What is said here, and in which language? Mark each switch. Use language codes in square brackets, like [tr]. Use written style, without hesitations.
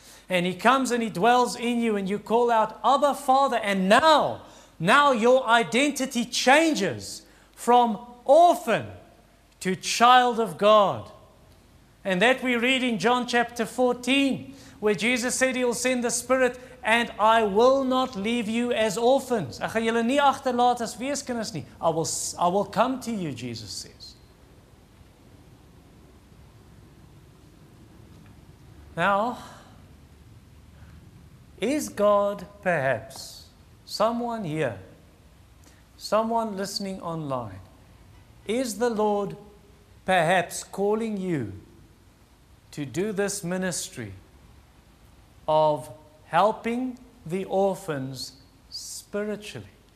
[en] And he comes and he dwells in you and you call out, Abba, Father, and now your identity changes from orphan to child of God. And that we read in John chapter 14, where Jesus said he'll send the Spirit, and I will not leave you as orphans. [af] Ek gaan julle nie agterlaat as weeskinders nie. [en] I will come to you, Jesus says. Now, is God perhaps someone here someone listening online, is the Lord perhaps calling you to do this ministry of helping the orphans spiritually?